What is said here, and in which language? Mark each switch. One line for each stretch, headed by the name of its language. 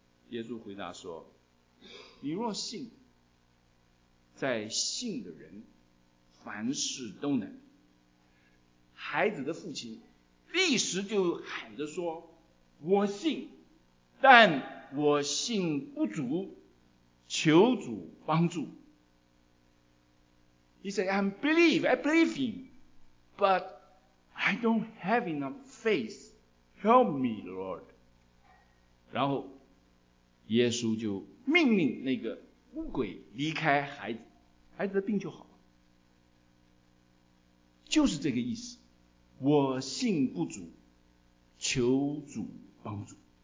Chinese: 耶稣回答说，你若信，在信的人凡事都能。孩子的父亲立时就喊着说，我信，但我信不足，求主帮助。
English: He said, I believe him, but I don't have enough faith. Help me, Lord.
Chinese: 然后耶稣就命令那个乌鬼离开孩子，孩子的病就好了。就是这个意思，我信不足，求主帮助。